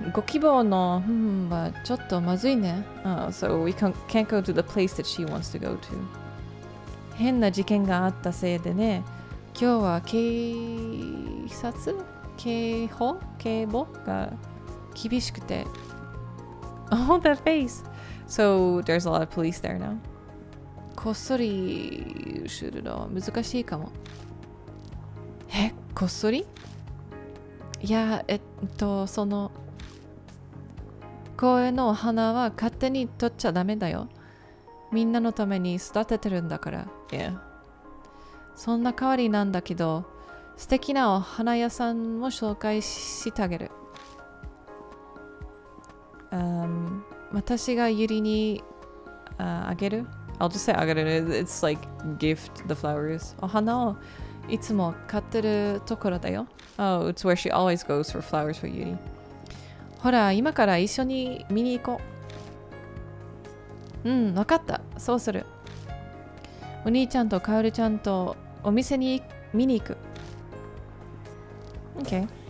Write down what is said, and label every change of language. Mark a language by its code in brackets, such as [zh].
[ja] ご希望の、うん、はちょっとまずいね。 [en] So we can't go to the place that she wants to go to. [ja] 変な事件があったせいでね。今日は警察？警報？警防が厳しくて。 [en] Oh, that face! So there's a lot of police there now. [ja] こっそりするの難しいかも。え、こっそり？いや、その公園のお花は勝手に取っちゃダメだよ。みんなのために育ててるんだから。 [en] Yeah. [ja] そんな代わりなんだけど、素敵なお花屋さんも紹介してあげる。私がユリに、あげる。 [en] I'll just say あげる。It's like gift the flowers. [ja] お花をいつも買ってるところだよ。 [en] Oh, it's where she always goes for flowers for Yuri. [ja] ほら、今から一緒に見に行こう。うん、わかった。そうする。お兄ちゃんとカオルちゃんとお店に見に行く。 [en] OK。